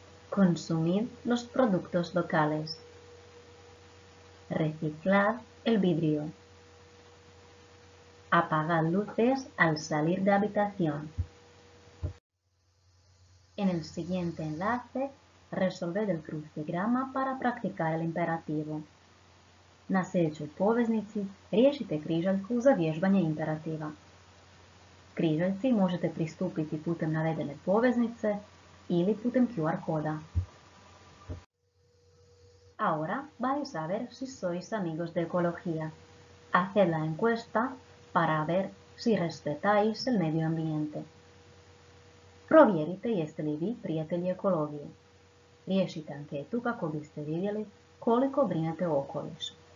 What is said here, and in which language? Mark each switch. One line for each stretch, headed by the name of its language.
Spanish: Consumir los productos locales. Reciclar el vidrio. Apagar luces al salir de habitación. En el siguiente enlace, resolved el crucigrama para practicar el imperativo.
Croatian: Na sljedećoj poveznici, riješite križaljku za vježbanje imperativa. Križaljci možete pristupiti putem navedene poveznice ili putem QR koda.
Spanish: Ahora vais a ver si sois amigos de ecología. Haced la encuesta para ver si respetáis el medio ambiente.
Croatian: Provjerite jeste li vi prijatelji ekologije. Riješite anketu kako biste vidjeli koliko brinete o okolišu.